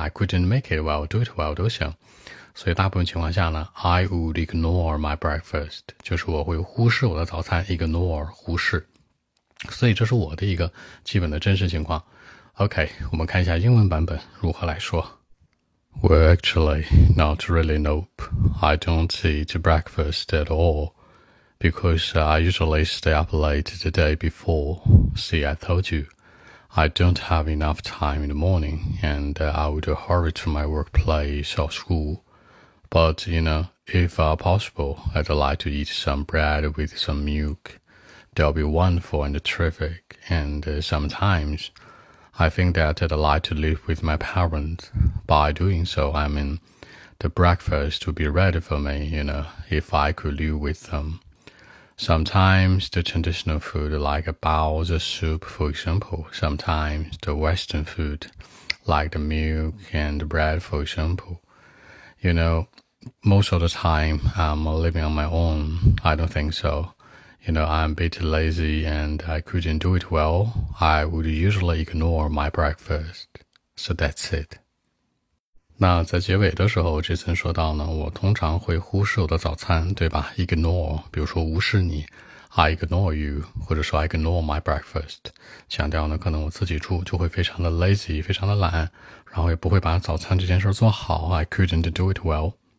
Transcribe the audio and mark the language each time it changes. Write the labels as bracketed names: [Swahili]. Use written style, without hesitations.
[English] I couldn't make it well, do it well, [Chinese] 都行。所以大部分情况下呢， [English] I would ignore my breakfast, [Chinese] 就是我会忽视我的早餐， [English] ignore, [Chinese] 忽视。所以这是我的一个基本的真实情况。OK, 我们看一下英文版本如何来说。 [English] Well, actually, not really, nope. I don't eat breakfast at all, because I usually stay up late the day before. See, I told you. I don't have enough time in the morning, and I would hurry to my workplace or school. But, you know, if possible, I'd like to eat some bread with some milk. That'll be wonderful and terrific. And sometimes, I think that I'd like to live with my parents. By doing so, I mean, the breakfast would be ready for me, you know, if I could live with them. Sometimes the traditional food like a bowls of soup, for example. Sometimes the western food like the milk and the bread, for example. You know, most of the time I'm living on my own. I don't think so. You know, I'm a bit lazy and I couldn't do it well. I would usually ignore my breakfast. So that's it. [Chinese] 那在结尾的时候 Jason 说到呢，我通常会忽视我的早餐，对吧？ [English] Ignore, [Chinese] 比如说无视你， [English] I ignore you, [Chinese] 或者说 [English] I ignore my breakfast, [Chinese] 强调呢可能我自己住就会非常的 [English] lazy, [Chinese] 非常的懒，然后也不会把早餐这件事做好， [English] I couldn't do it well.